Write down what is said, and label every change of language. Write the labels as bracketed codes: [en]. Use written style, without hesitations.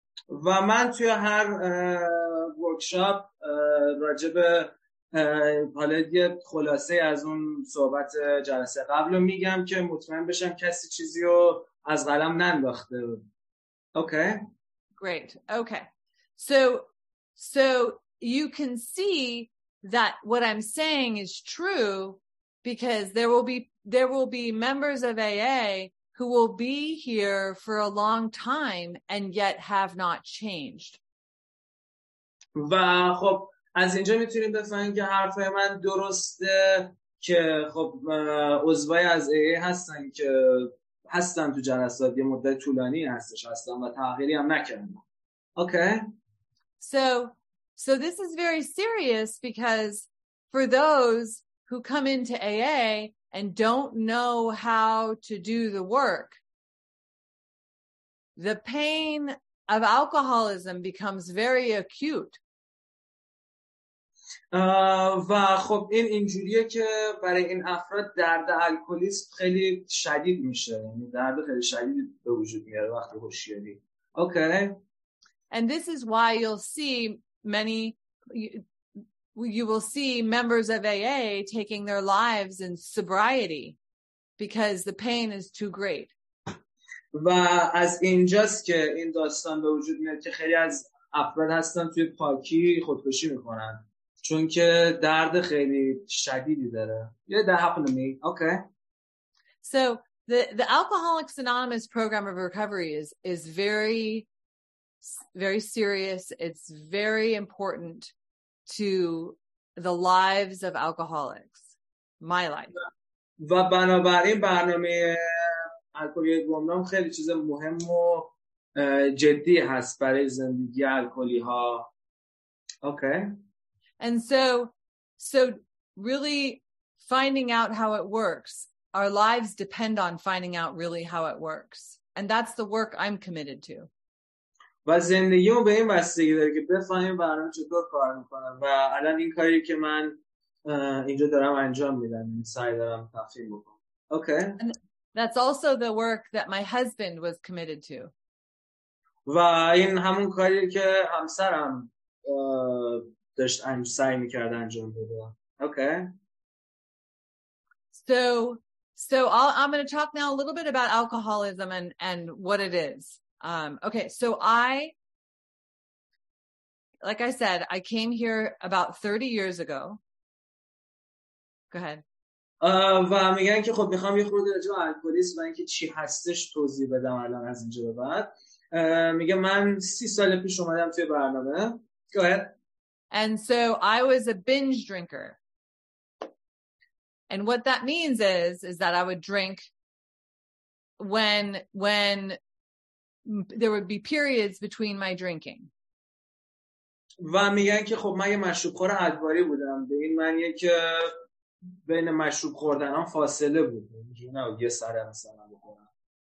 [fa] و من توی هر ورکشاپ راجع به پالت یه خلاصه از اون صحبت جلسه قبل رو میگم که مطمئن بشم کسی چیزی رو از قلم ننداخته. [en] Okay. Great. Okay. So you can see that what I'm saying is true because there will be members of AA who will be here for a long time and yet have not changed. [fa] و خب از اینجا میتونیم بفهمیم که حرف من درسته که خب عضوای از AA هستن که هستن تو جلسات یه مدت طولانی هستن و تغییری هم نکردن. [en] Okay. So this is very serious because for those who come into AA and don't know how to do the work, the pain of alcoholism becomes very acute. [fa] و خب این اینجوریه که برای این افراد درد الکلیسم خیلی شدید میشه، یعنی درد خیلی شدید به وجود میاره وقتی هوشیاری. [en] Okay. And this is why you'll see many you will see members of AA taking their lives in sobriety because the pain is too great. [fa] و از اینجاست که این داستان به وجود میاد که خیلی از افراد هستن توی پاکی خودکشی میکنن چون که درد خیلی شدیدی داره. [en] Yeah, that happened to me. Okay. So the Alcoholics Anonymous program of recovery is very, very serious. It's very important to the lives of alcoholics, my life. [fa] و بنابراین برنامه الکلی گمنام خیلی چیز مهم و جدی هست برای زندگی الکلی ها. [en] Okay. And so really finding out how it works, our lives depend on finding out really how it works. And that's the work I'm committed to. [fa] و زندگی به این بستگی داره که بفهمیم برنامه چطور کار میکنم و الان این کاری که من اینجا دارم انجام میدم این سعی دارم تفهیم بکنم. [en] Okay. And that's also the work that my husband was committed to. [fa] و این همون کاری که همسرم داشت سعی میکرد انجام بده. [en] Okay. So I'm going to talk now a little bit about alcoholism and what it is. Okay, so I came here about 30 years ago. Go ahead. [fa] و میگن که خب میخوام یه خورده راجع به الکلیسم و اینکه چی هستش توضیح بدم الان از اینجا به بعد. میگه من 30 سال پیش اومدم توی برنامه. [en] Go ahead. And so I was a binge drinker. And what that means is that I would drink when there would be periods between my drinking. [fa] و میگن که خب من یه مشروب خور ادواری بودم، به این معنیه که بین مشروب خوردن ها فاصله بود، اینجوری نه یه سره مثلا بخورم.